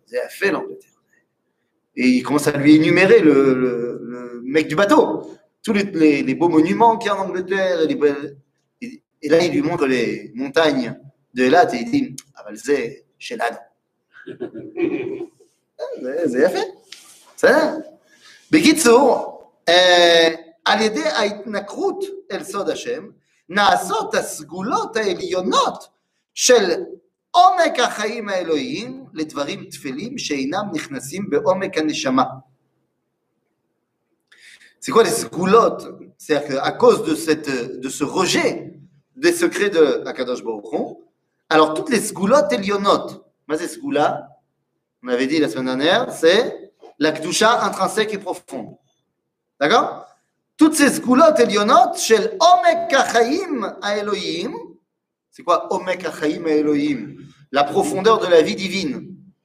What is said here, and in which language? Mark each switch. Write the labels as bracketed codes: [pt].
[fr] C'est Yafé, fait l'Angleterre. » Et il commence à lui énumérer le mec du bateau. Tous les beaux monuments qu'il y a en Angleterre. Et là, il lui montre les montagnes de Eilat et il dit « Ah, ben, c'est Chelad. » C'est Yafé. C'est ça. [he] בקיצור, על ידי ההתנקרות אל סוד השם, נעשות הסגולות העליונות של עומק החיים האלוהיים לדברים תפלים שאינם נכנסים בעומק הנשמה. [fr] C'est quoi les סגולות? C'est à cause de ce rejet des secrets de Akadosh Baruch Hu. Alors, toutes les [he] סגולות עליונות, מה זה סגולה? [fr] On avait dit la semaine dernière, c'est la kdusha intrinsèque et profonde. D'accord? Toutes ces [he] skulot elyonot shel omek ha'chayim ha'elohim. [fr] C'est quoi [he] omek ha'chayim ha'elohim? [fr] La profondeur de la vie divine.